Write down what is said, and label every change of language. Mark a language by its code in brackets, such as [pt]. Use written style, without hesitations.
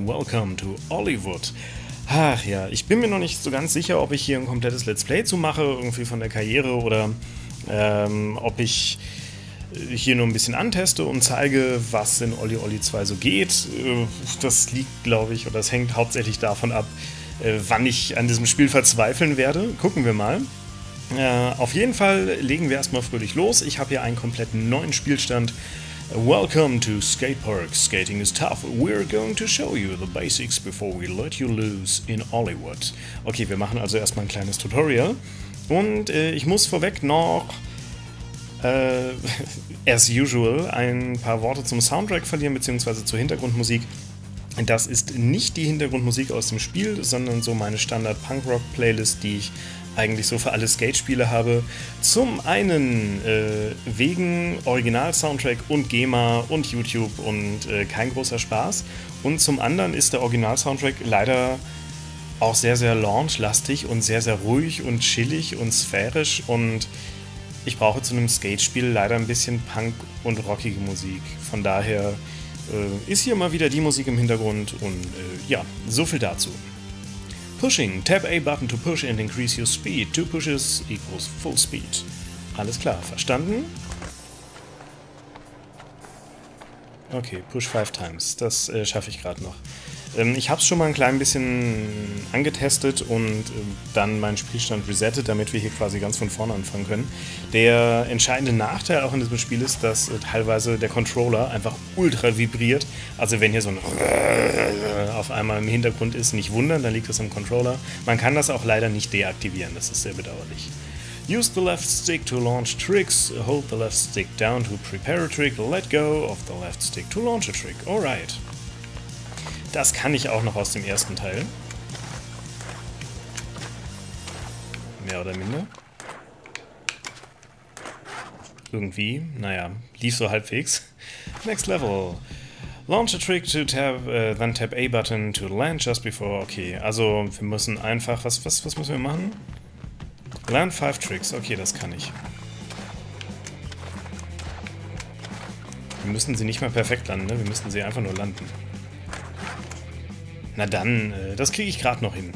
[en] Welcome to Ollywood. [de] Ach ja, ich bin mir noch nicht so ganz sicher, ob ich hier ein komplettes Let's Play zu mache, irgendwie von der Karriere, oder ob ich hier nur ein bisschen anteste und zeige, was in Olli Olli 2 so geht. Das liegt, glaube ich, oder das hängt hauptsächlich davon ab, wann ich an diesem Spiel verzweifeln werde. Gucken wir mal. Auf jeden Fall legen wir erstmal fröhlich los. Ich habe hier einen kompletten neuen Spielstand. [en] Welcome to Skatepark. Skating is tough. We're going to show you the basics before we let you loose in Hollywood. [de] Okay, wir machen also erstmal ein kleines Tutorial. Und ich muss vorweg noch, [en] as usual, [de] ein paar Worte zum Soundtrack verlieren, beziehungsweise zur Hintergrundmusik. Das ist nicht die Hintergrundmusik aus dem Spiel, sondern so meine Standard-Punk-Rock-Playlist, die ich eigentlich so für alle Skate-Spiele habe. Zum einen wegen Original-Soundtrack und GEMA und YouTube und kein großer Spaß. Und zum anderen ist der Original-Soundtrack leider auch sehr, sehr launch-lastig und sehr, sehr ruhig und chillig und sphärisch. Und ich brauche zu einem Skate-Spiel leider ein bisschen Punk- und rockige Musik. Von daher ist hier mal wieder die Musik im Hintergrund und ja, so viel dazu. [en] Pushing. Tap A button to push and increase your speed. Two pushes equals full speed. [de] Alles klar, verstanden? [en] Okay, push 5 times. [de] Das schaffe ich gerade noch. Ich habe es schon mal ein klein bisschen angetestet und dann meinen Spielstand resettet, damit wir hier quasi ganz von vorne anfangen können. Der entscheidende Nachteil auch in diesem Spiel ist, dass teilweise der Controller einfach ultra vibriert. Also wenn hier so ein auf einmal im Hintergrund ist, nicht wundern, dann liegt das am Controller. Man kann das auch leider nicht deaktivieren, das ist sehr bedauerlich. [en] Use the left stick to launch tricks. Hold the left stick down to prepare a trick. Let go of the left stick to launch a trick. Alright. [de] Das kann ich auch noch aus dem ersten Teil. Mehr oder minder. Irgendwie, naja, lief so halbwegs. [en] Next level. Launch a trick to tap, then tap A button to land just before. [de] Okay, also wir müssen einfach, was müssen wir machen? [en] Land 5 tricks, [de] okay, das kann ich. Wir müssen sie nicht mal perfekt landen, ne? Wir müssen sie einfach nur landen. Na dann, das kriege ich gerade noch hin.